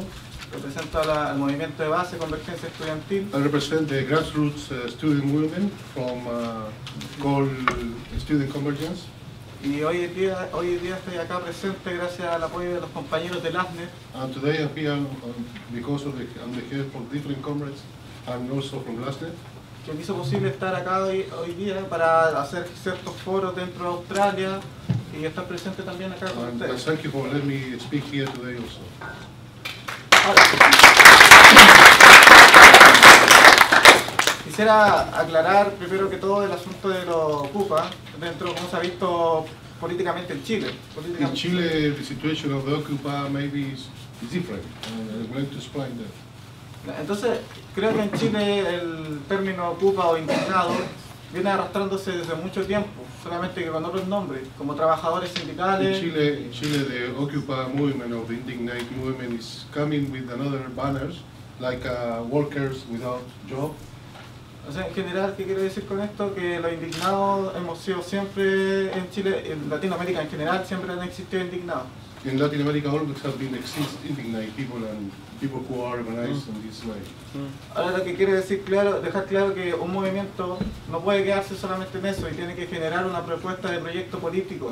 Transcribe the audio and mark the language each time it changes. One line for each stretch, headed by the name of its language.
English: I represent the grassroots student movement from called Student Convergence. And today I'm here because of the help of different comrades and also from LASNET.
Spanish: Que me hizo posible estar acá hoy día para hacer ciertos foros dentro de Australia y estar presente también acá con ustedes.
English: And thank you for letting me speak here today also.
Spanish: Quisiera aclarar primero que todo el asunto de los Ocupa dentro de cómo se ha visto políticamente en Chile.
English: In Chile, the situation of the Ocupa maybe is different. I'm going to explain that.
Spanish: Entonces, creo que en Chile el término Ocupa o Indignado viene arrastrándose desde mucho tiempo, solamente que con otros nombres, como trabajadores sindicales.
English: In Chile, the Ocupa movement or the Indignate movement is coming with another banners, like workers without job.
Spanish: O sea, en general, ¿qué quiero decir con esto? Que los indignados hemos sido siempre en Chile, en Latinoamérica en general, siempre han existido indignados.
English: in Latin America always have been existing, like people and people who are organized in this way.
Spanish: Ahora lo que quiere decir claro, dejar claro que un movimiento no puede quedarse solamente en eso y tiene que generar una propuesta de proyecto político.